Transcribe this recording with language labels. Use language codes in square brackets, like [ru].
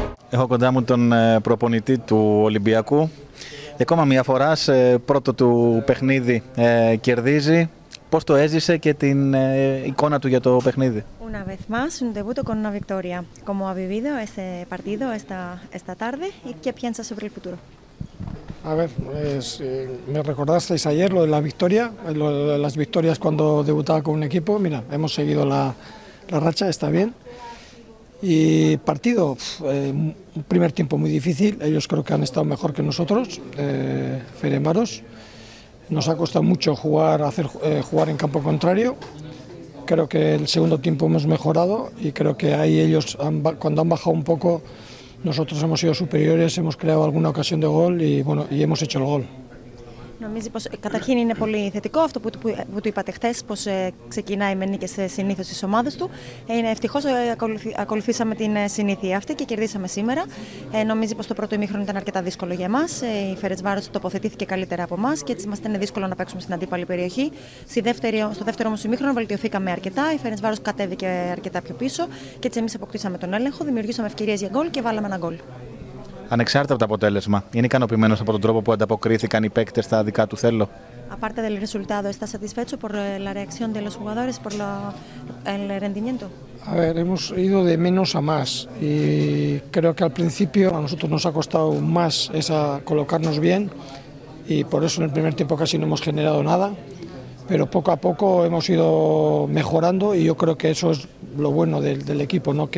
[el] Έχω κοντά μου τον προπονητή του Ολυμπιακού. Και ακόμα μια φορά, σε πρώτο του παιχνίδι, κερδίζει. Πώς το έζησε και την εικόνα του για το παιχνίδι. [es] Una vez más, un debut con una victoria. ¿Cómo ha vivido este partido esta tarde y qué piensa sobre el futuro? A ver, me recordasteis ayer lo de la victoria, lo de las victorias cuando debutaba con un equipo. Mira, hemos seguido la racha, está bien. Y partido, un primer tiempo muy difícil. Ellos creo que han estado mejor que nosotros, Ferenbaros. Nos ha costado mucho jugar en campo contrario. Creo que el segundo tiempo hemos mejorado y creo que ahí ellos, cuando han bajado un poco, nosotros hemos sido superiores, hemos creado alguna ocasión de gol y bueno, y hemos hecho el gol. [el] Νομίζω πως καταρχήν είναι πολύ θετικό αυτό που του είπατε χθες, πως ξεκινάει με νίκες συνήθως στις ομάδες του. Είναι ευτυχώς ακολουθήσαμε την συνήθεια αυτή και κερδίσαμε σήμερα. Νομίζω πως το πρώτο ημίχρονο ήταν αρκετά δύσκολο για εμάς. Η Φερεντσβάρος τοποθετήθηκε καλύτερα από εμάς και έτσι μας ήταν δύσκολο να παίξουμε στην αντίπαλη περιοχή. Στο δεύτερο όμως ημίχρονο βελτιωθήκαμε αρκετά. Η Φερεντσβάρος κατέβηκε αρκετά πιο πίσω και έτσι εμείς αποκτήσαμε τον έλεγχο, δημιουργήσαμε ευκαιρίες για γκολ και βάλαμε ένα γκολ. Ανεξάρτητα από το αποτέλεσμα, είναι ικανοποιημένος από τον τρόπο που ανταποκρίθηκαν οι παίκτες στα δικά του θέλω. [es] Aparte del resultado, ¿está satisfecho por la reacción de los jugadores, por el rendimiento? A ver, hemos ido de menos a más y creo que al principio a nosotros nos ha costado más esa colocarnos bien y por eso en el primer tiempo casi no hemos generado nada, pero poco a poco hemos ido mejorando y yo creo que eso es lo bueno del equipo, ¿no?